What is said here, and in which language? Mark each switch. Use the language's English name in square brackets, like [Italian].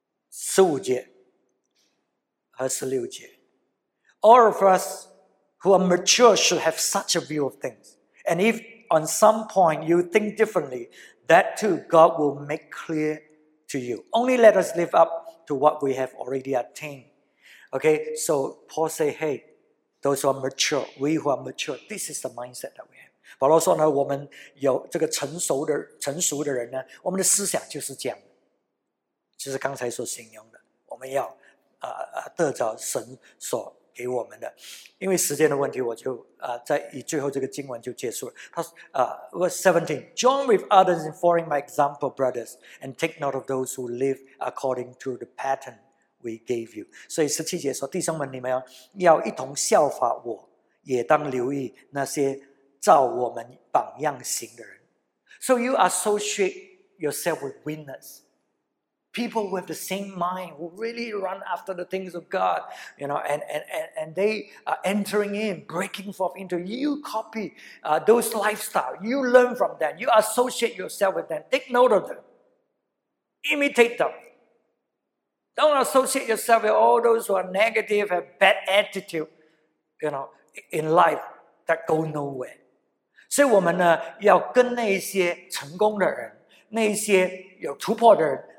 [Chinese] ， 15节和16节 [English] ，All of us who are mature should have such a view of things, and if on some point you think differently, that too God will make clear to you. Only let us live up to what we have already attained. Okay, so Paul say, hey, those who are mature, we who are mature, this is the mindset that we have. [Chinese] 保罗说呢，我们有这个成熟的人呢， 我们的思想就是这样，就是刚才所形容的， 我们要得着神所给我们的。因为时间的问题， 我就在以最后这个经文就结束了。 [English] Verse 17, join with others in following my example, brothers, and take note of those who live according to the pattern we gave you. [Chinese] 所以17节说， 弟兄们，你们要一同效法我， 也当留意那些照我们榜样行的人。 [English] So you associate yourself with winners, people who have the same mind, who really run after the things of God, you know, and they are entering in, breaking forth into you. Copy those lifestyle. You learn from them. You associate yourself with them. Take note of them. Imitate them. Don't associate yourself with all those who are negative, have bad attitude, you know, in life that go nowhere. [Chinese] 所以我们呢，要跟那些成功的人，那些有突破的人。